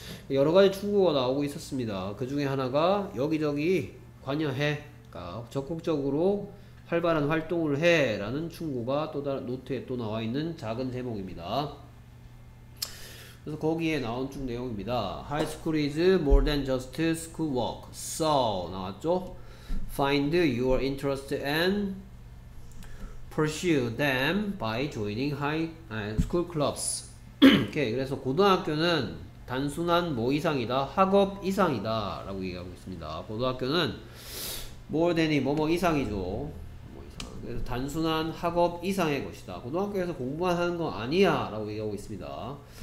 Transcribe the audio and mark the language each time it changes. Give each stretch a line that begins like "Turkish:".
Korean: 여러가지 충고가 나오고 있었습니다. 그 중에 하나가 여기저기 관여해, 그러니까 적극적으로 활발한 활동을 해 라는 충고가 또 다른 노트에 또 나와있는 작은 제목입니다. 그래서 거기에 나온 쭉 내용입니다.
English: High school is more than just school work.
Korean: So 나왔죠?
English: Find your interest and pursue them by joining school clubs.
Korean: 오케이. 그래서 고등학교는 단순한 뭐 이상이다, 학업 이상이다 라고 얘기하고 있습니다. 고등학교는 more than이 뭐뭐 이상이죠. 뭐 이상. 그래서 단순한 학업 이상의 것이다. 고등학교에서 공부만 하는 건 아니야 라고 얘기하고 있습니다.